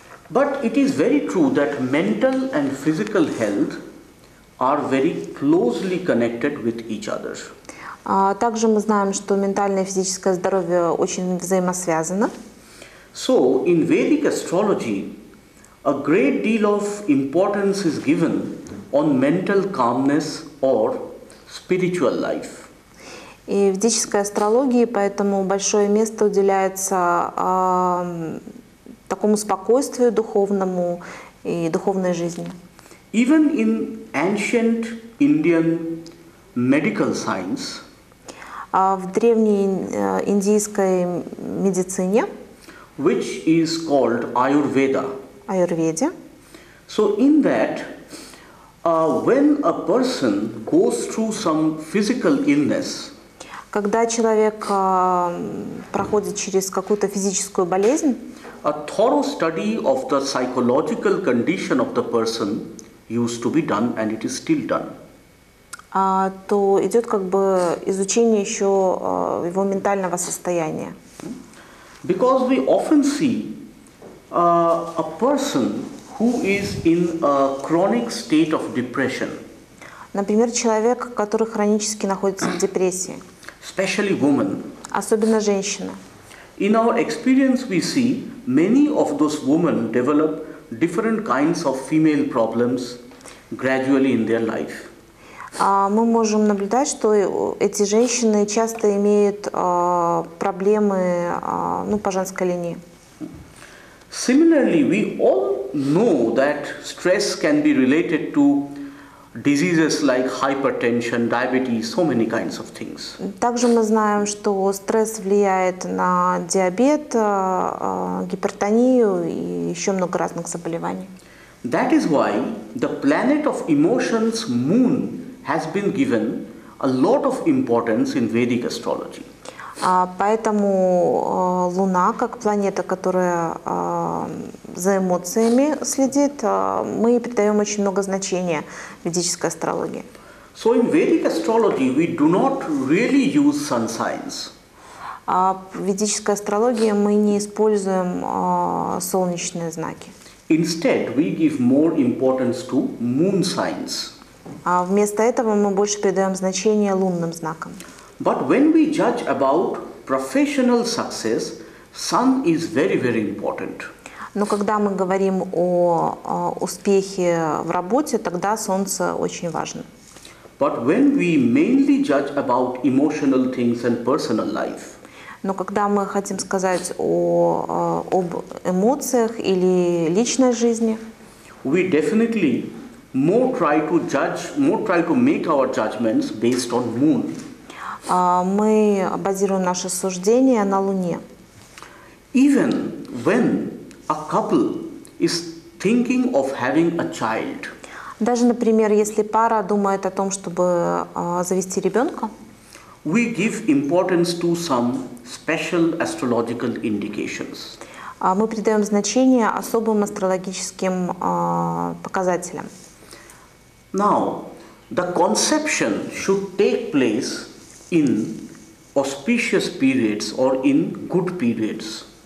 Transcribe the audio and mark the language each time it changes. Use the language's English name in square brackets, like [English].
[English] But it is very true that mental and physical health are very closely connected with each other. [Russian] Также мы знаем, что ментальное и физическое здоровье очень взаимосвязано. [English] So, in Vedic astrology, a great deal of importance is given on mental calmness or spiritual life. [Russian] И в ведической астрологии поэтому большое место уделяется такому спокойствию духовному и духовной жизни. [English] Even in ancient Indian medical science, [Russian] в древней индийской медицине, [English] which is called Ayurveda, [Russian] Ayurveda. [English] So in that, when a person goes through some physical illness, [Russian] когда человек проходит через какую-то физическую болезнь, [English] a thorough study of the psychological condition of the person used to be done, and it is still done. [Russian] То идет как бы изучение еще его ментального состояния. [English] Because we often see a person who is in a chronic state of depression. [Russian] Например, человек, который хронически находится в депрессии. [English] Especially women. [Russian] Особенно женщина. [English] In our experience, we see many of those women develop different kinds of female problems gradually in their life. [Russian] Мы можем наблюдать, что эти женщины часто имеют проблемы, ну, по женской линии. [English] Similarly, we all know that stress can be related to diseases like hypertension, diabetes, so many kinds of things. [Russian] Также мы знаем, что стресс влияет на диабет, гипертонию и еще много разных заболеваний. [English] That is why the planet of emotions, Moon, has been given a lot of importance in Vedic astrology. [Russian] Поэтому Луна, как планета, которая за эмоциями следит, мы придаем очень много значения ведической астрологии. [English] So in Vedic astrology we do not really use sun signs. [Russian] В ведической астрологии мы не используем солнечные знаки. [English] Instead, we give more importance to moon signs. [Russian] Вместо этого мы больше придаем значение лунным знакам. [English] But when we judge about professional success, sun is very, very important. [Russian] Но когда мы говорим о успехе в работе, тогда солнце очень важно. [English] But when we mainly judge about emotional things and personal life, [Russian] но когда мы хотим сказать об эмоциях или личной жизни, [English] we definitely more try to judge, more try to make our judgments based on moon. [Russian] мы базируем наше суждение на Луне. [English] Even when a couple is thinking of having a child. [Russian] Даже, например, если пара думает о том, чтобы завести ребенка, [English] we give importance to some special astrological indications. [Russian] Мы придаем значение особым астрологическим показателям. [English] Now, the conception should take place in auspicious periods or in good periods.